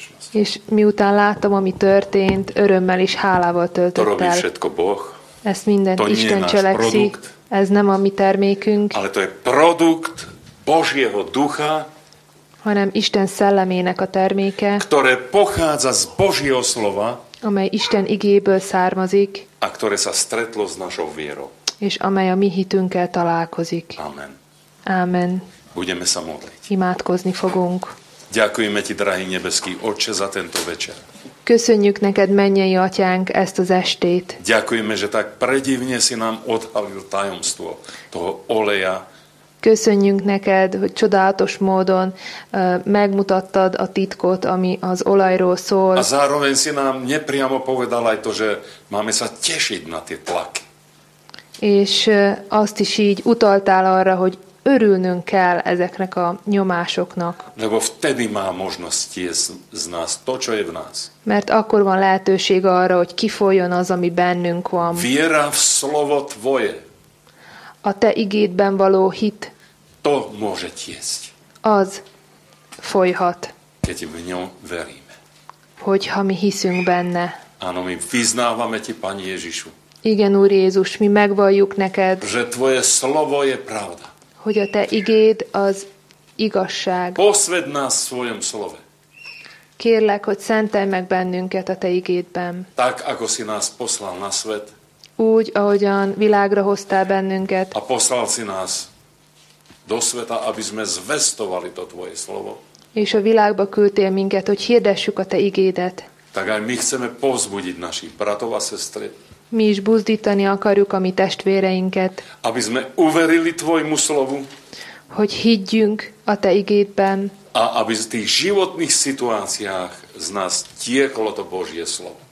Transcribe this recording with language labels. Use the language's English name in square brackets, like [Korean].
[Hungarian] És miután láttam, ami történt, örömmel és hálával töltött el. Ezt mindent Isten cselekszi. Ez nem a mi termékünk, [Slovak] ale to je produkt Božieho ducha, [Hungarian] hanem Isten szellemének a terméke, [Slovak] ktoré pochádza z Božieho slova, [Hungarian] amely Isten igéből származik, [Slovak] a ktoré sa stretlo s našou vierou, [Hungarian] és amely a mi hitünkkel találkozik. Amen. Amen. [Slovak] Budeme sa modliť. [Hungarian] Imádkozni fogunk. [Slovak] Ďakujeme ti, drahý nebeský Otče, za tento večer. [Hungarian] Köszönjük neked, mennyei atyánk, ezt az estét. [Slovak] Ďakujeme, že tak predivne si nám odhalil tajomstvo toho oleja. [Hungarian] Köszönjük neked, hogy csodálatos módon megmutattad a titkot, ami az olajról szól. [Slovak] A zároveň si nám nepriamo povedal aj to, že máme sa tešiť na tie tlaky. [Hungarian] És azt is így utaltál arra, hogy örülnünk kell ezeknek a nyomásoknak. [Slovak] Lebo vtedy má možnosť tiesť z nás to, čo je v nás. [Hungarian] Mert akkor van lehetőség arra, hogy kifoljon az, ami bennünk van. [Slovak] Viera v slovo tvoje. [Hungarian] A te igédben való hit. [Slovak] To môže tiesť. [Hungarian] Az folyhat. [Slovak] Keď v ňom veríme. [Hungarian] Hogyha mi hiszünk benne. [Slovak] Áno, my vyznávame ti, Pani Ježišu. [Hungarian] Igen, Úr Jézus, mi megvalljuk neked. [Slovak] Že tvoje slovo je pravda. [Hungarian] Hogy a te igéd az igazság. [Slovak] Posvedd nás svojom slove. [Hungarian] Kérlek, hogy szentelj meg bennünket a te igédben. [Slovak] Tak, ako si nás poslal na svet. [Hungarian] Úgy, ahogyan világra hoztál bennünket. [Slovak] A poslal si nás do sveta, aby sme zvestovali to tvoje slovo. [Hungarian] És a világba küldtél minket, hogy hirdessük a te igédet. [Slovak] Tak aj my chceme pozbudiť našich bratov a sestry. [Hungarian] Mi is buzdítani akarjuk a mi testvéreinket. [Slovak] Aby sme uverili tvojmu slovu. [Hungarian] Hogy higgyünk a te igédben. [Slovak] A aby z tých životných situáciách z nás tieklo to Božie slovo.